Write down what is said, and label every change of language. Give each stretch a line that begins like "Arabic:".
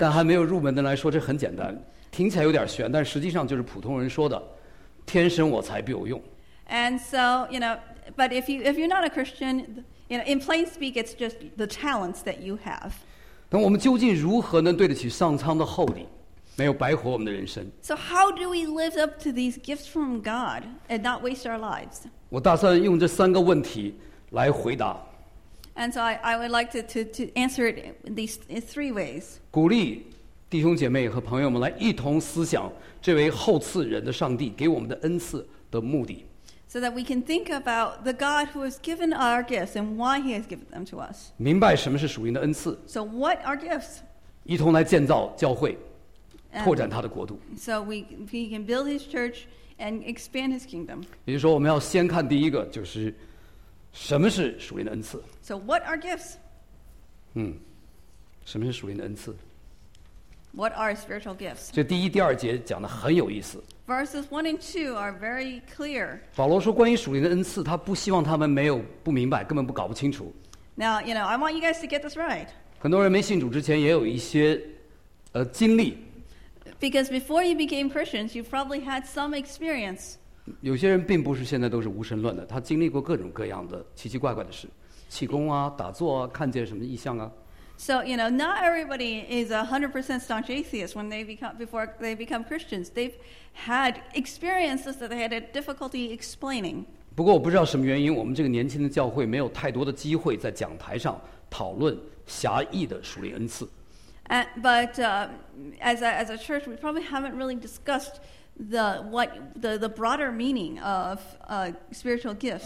Chinese: 但还没有入门的来说，这很简单，听起来有点悬，但实际上就是普通人说的，天生我材必有用。
English: And so, you know, but if you're not a Christian, you know, in plain speak, it's just the talents that you have.
Chinese: 那我们究竟如何能对得起上苍的厚礼，没有白活我们的人生？
English: So how do we live up to these gifts from God and not waste our lives?
Chinese: 我打算用这三个问题来回答。
English: And so I would like to answer it in these three ways.
Chinese: 鼓励弟兄姐妹和朋友们来一同思想这位厚赐人的上帝给我们的恩赐的目的。
English: So that we can think about the God who has given our gifts and why he has given them to us.
Chinese: 明白什么是属灵的恩赐。
English: So what are gifts?
Chinese: 一同来建造教会，拓展他的国度。
English: So we can build his church and expand his kingdom.
Chinese: 也就是说我们要先看第一个，就是什么是属灵的恩赐。
English: So what are gifts?
Chinese: 什么是属灵的恩赐。
English: What are spiritual gifts?
Chinese: 这第一、第二节讲的很有意思。
English: Verses 1 and 2 are very clear.
Chinese: 保罗说关于属灵的恩赐，他不希望他们没有不明白，根本不搞不清楚。
English: Now, you know, I want you guys to get this right.
Chinese: 很多人没信主之前也有一些经历。
English: Because before you became Christians, you probably had some experience.
Chinese: 有些人并不是现在都是无神论的，他经历过各种各样的奇奇怪怪的事，气功啊，打坐啊，看见什么异象啊。
English: So, you know, not everybody is 100% staunch atheist when they become, before they become Christians. They've had experiences that they had a difficulty explaining.
Chinese: 不过我不知道什么原因，我们这个年轻的教会没有太多的机会在讲台上讨论狭义的属灵恩赐。
English: But as a church, we probably haven't really discussed the broader meaning of spiritual gifts.